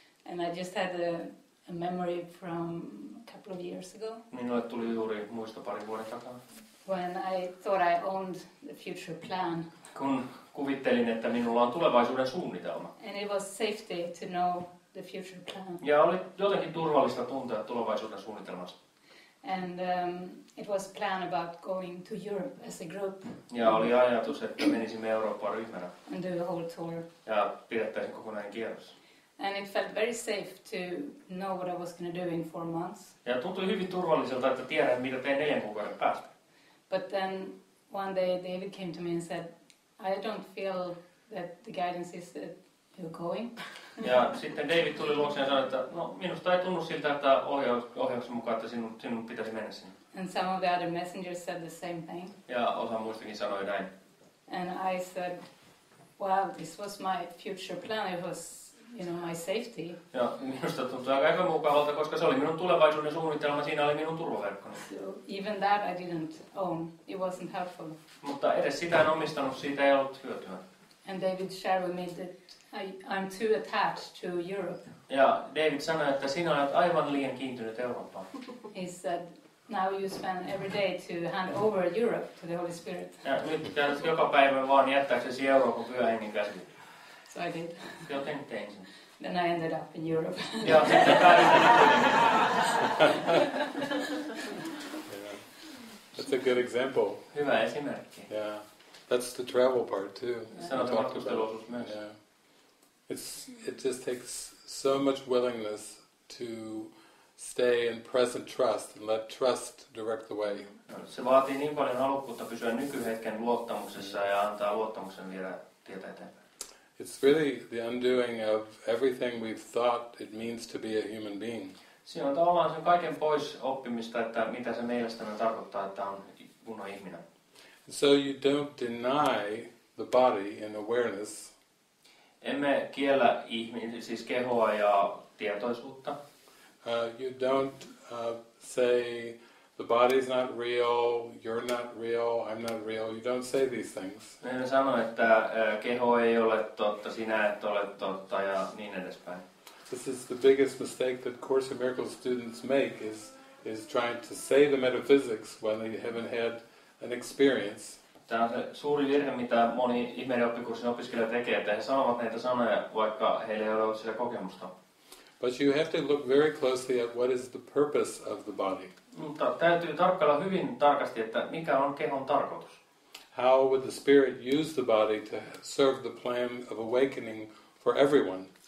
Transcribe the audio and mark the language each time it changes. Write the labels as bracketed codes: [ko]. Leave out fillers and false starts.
[en] And I just had a memory from a couple of years ago. [fi] Minulle tuli juuri muisto pari vuoden takaa. [en] When I thought I owned the future plan. [fi] Kun kuvittelin, että minulla on tulevaisuuden suunnitelma. [en] And it was safety to know the future plan. [fi] Ja oli jotenkin turvallista tuntea tulevaisuuden suunnitelmasta. [en] And it was plan about going to Europe as a group. [fi] Ja oli ajatus, että menisimme Eurooppaan ryhmänä. [en] And do a whole tour. [fi] Ja pidettäisiin kokonainen kierros. [en] And it felt very safe to know what I was going to do in 4 months. [fi] Ja tuntui hyvin turvalliselta, että tiedän, mitä teen 4 kuukauden päästä. [en] But then one day David came to me and said, I don't feel that the guidance is that you're going. [fi] Ja sitten David tuli luokseen ja sanoi, että no, minusta ei tunnu siltä, että ohjauksen mukaan, että sinun pitäisi mennä sinne. [en] And some of the other messengers said the same thing. [fi] Ja osa muistakin sanoi näin. [en] And I said, well, this was my future plan. It was, you know, my safety. [fi] Ja minusta tuntui aika epämukavalta, koska se oli minun tulevaisuuden suunnitelma. Siinä oli minun turvaverkkoni. [en] So, even that I didn't own. It wasn't helpful. [fi] Mutta edes sitä en omistanut, siitä ei ollut hyötyä. [en] And David shared with me that I'm too attached to Europe. [fi] Ja David sanoi, että sinä olet aivan liian kiintynyt Eurooppaan. [en] He said, now you spend every day to hand over Europe to the Holy Spirit. [fi] Ja nyt käytät joka päivä vaan jättääksesi Euroopan Pyhän Hengen käsiin. [en] So I did. [fi] Joten tein sen. [en] Then I ended up in Europe. [fi] Ja sitten päädyin. [en] That's a good example. [fi] Hyvä esimerkki. [en] Yeah. That's the travel part too. [fi] Se on matkustelu-osuus myös. [en] It just takes so much willingness to stay in present trust and let trust direct the way. [fi] Se vaatii niin paljon halukkuutta pysyä nykyhetken luottamuksessa ja antaa luottamuksen viedä tietä eteenpäin. [en] It's really the undoing of everything we've thought it means to be a human being. [fi] Se on tavallaan sen kaiken pois oppimista, että mitä se mielestämme tarkoittaa, että on kunnon ihminen. [en] So you don't deny the body in awareness. [fi] Emme kiellä ihmistä, siis kehoa ja tietoisuutta. [en] You don't say the body's not real, you're not real, I'm not real. You don't say these things. [fi] Emme sano, että keho ei ole totta, sinä et ole totta ja niin edespäin. [en] This is the biggest mistake that Course in Miracles students make is trying to say the metaphysics when they haven't had an experience. [fi] Tämä on se suuri virhe, mitä moni ihmeiden oppikurssin opiskelija tekee, että he sanovat näitä sanoja, vaikka heillä ei ole ollut sitä kokemusta. [en] But you have to look very closely at what is the purpose of the body. [fi] Mutta täytyy tarkkailla hyvin tarkasti, että mikä on kehon tarkoitus. [en] How would the spirit use the body to serve the plan of awakening for everyone?